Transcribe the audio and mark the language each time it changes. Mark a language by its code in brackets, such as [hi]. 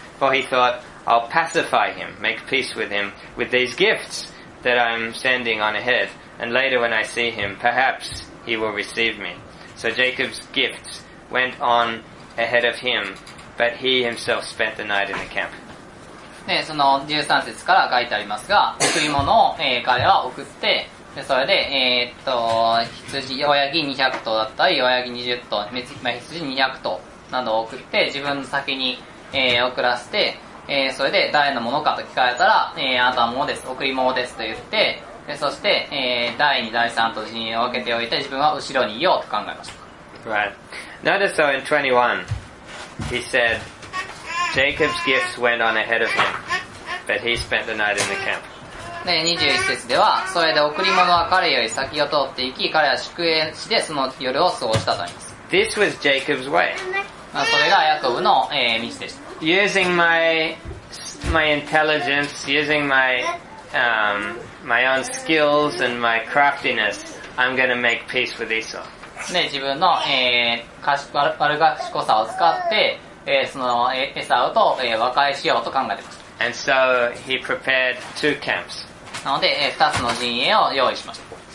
[en] For he thought, I'll pacify him, make peace with him, with these gifts. That I'm sending on ahead, and later when I see him, perhaps he will receive me. So Jacob's gifts went on ahead of him, but he himself spent the night in the camp. [ja] で、その13節から書いてありますが、贈り物を、彼は送って、でそれで、羊、親木200頭だったり、親木20頭、まあ、羊200頭などを送って、自分の先に、送らせて、それで誰のものかと聞かれたら、あなたのものです、贈り物ですと言って、でそして、第2第3と陣営を分けておいて自分は後ろにいようと考えました。 [en] Right. Notice though in 21 he said Jacob's gifts went on ahead of him but he spent the night in the camp. [ja] で21節では、それで贈り物は彼より先を通っていき、彼は宿営地でその夜を過ごしたとあります。 [en] This was Jacob's way. [ja] まあそれがヤコブの、道でした。 [en] Using my intelligence, using my own skills and my craftiness, I'm gonna make peace with Esau. [ja] ね、自分の、賢さを使って、その、エサウと、和解しようと考えてました。 [en] And so he prepared two camps. [ja] なので、二つの陣営を用意しました。